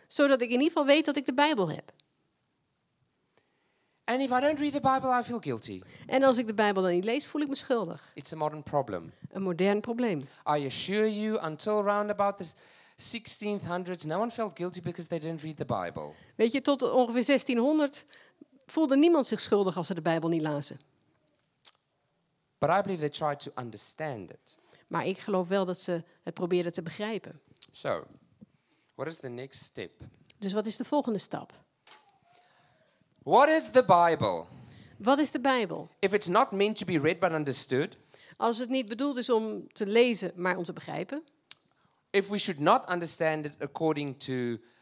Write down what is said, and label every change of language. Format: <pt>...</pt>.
<nl>Zodat ik in ieder geval weet dat ik de Bijbel heb.</nl> <en>And if I don't read the Bible, I feel guilty.</en> <nl>En als ik de Bijbel dan niet lees, voel ik me schuldig.</nl> <en>It's a modern problem.</en> <nl>Een modern probleem.</nl> <en>I assure you, until round about the 1600s, no one felt guilty because they didn't read the Bible.</en> <nl>Weet je, tot ongeveer 1600 voelde niemand zich schuldig als ze de Bijbel niet lazen.</nl> <en>But I believe they tried to understand it.</en> <nl>Maar ik geloof wel dat ze het probeerden te begrijpen.</nl> <en>So, what is the next step?</en> <nl>Dus wat is de volgende stap?</nl> <en>What is the Bible?</en> <nl>Wat is de Bijbel?</nl> <en>If it's not meant to be read but understood.</en> <nl>Als het niet bedoeld is om te lezen, maar om te begrijpen.</nl> <en>If we should not understand it according to.</en>